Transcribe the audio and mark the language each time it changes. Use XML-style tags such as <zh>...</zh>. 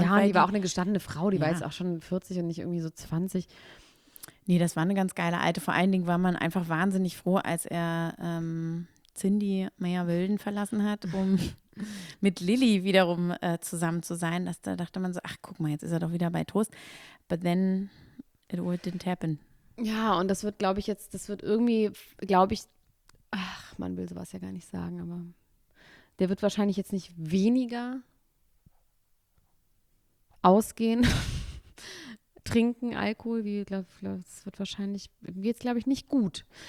<de>Ja, und die war auch eine gestandene Frau. Die war jetzt auch schon 40 und nicht irgendwie so 20. Nee, das war eine ganz geile Alte. Vor allen Dingen war man einfach wahnsinnig froh, als er Cindy Meyer-Wilden verlassen hat, um mit Lilly wiederum zusammen zu sein. Da dachte man so, ach guck mal, jetzt ist er doch wieder bei Toast.</de> <en>But then it all didn't happen.</en> <de>Ja, und das wird, glaube ich, jetzt, das wird irgendwie, glaube ich, ach, man will sowas ja gar nicht sagen, aber der wird wahrscheinlich jetzt nicht weniger ausgehen. Trinken, Alkohol, es wird wahrscheinlich, geht es glaube ich nicht gut.</de>